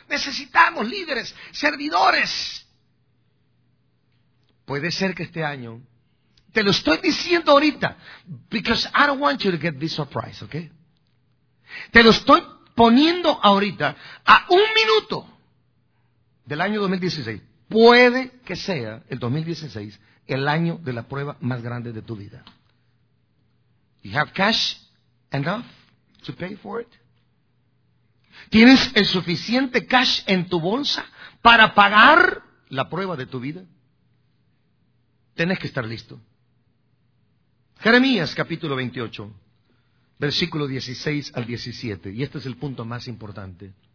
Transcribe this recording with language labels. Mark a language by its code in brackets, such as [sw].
[es] Necesitamos líderes, servidores. Puede ser que este año, te lo estoy diciendo ahorita, because I don't want you to get this surprise, ¿ok? Te lo estoy poniendo ahorita a un minuto del año 2016. Puede que sea el 2016 el año de la prueba más grande de tu vida. [en] You have cash enough to pay for it? [es] ¿Tienes el suficiente cash en tu bolsa para pagar la prueba de tu vida? Tienes que estar listo. Jeremías capítulo 28, versículo 16 al 17, y este es el punto más importante.